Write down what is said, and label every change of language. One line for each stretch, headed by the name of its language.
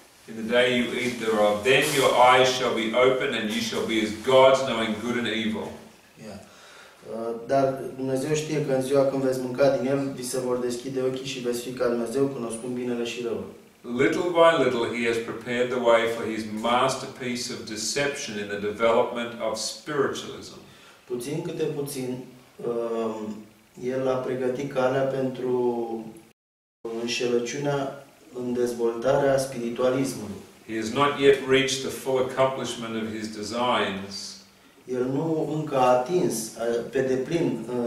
English: In the day you eat thereof, then your eyes shall be open and you shall be as gods, knowing good and evil.
Romanian: Dar Dumnezeu știe că în ziua când veți mânca din el, vi se vor deschide ochii și veți fi ca Dumnezeu, cunoscând binele și răul.
English: Little by little he has prepared the way for his masterpiece of deception in the development of spiritualism.
Romanian: Puțin câte puțin, el a pregătit calea pentru înșelăciunea în dezvoltarea spiritualismului.
English: He has not yet reached the full accomplishment of his designs.
Romanian: El nu încă a atins pe deplin